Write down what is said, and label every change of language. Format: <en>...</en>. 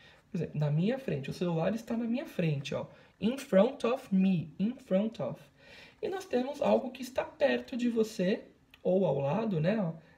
<pt>Por exemplo, na minha frente, o celular está na minha frente, ó.</pt> <en>In front of me, in front of.</en> <pt>E nós temos algo que está perto de você ou ao lado, né? Ó.</pt>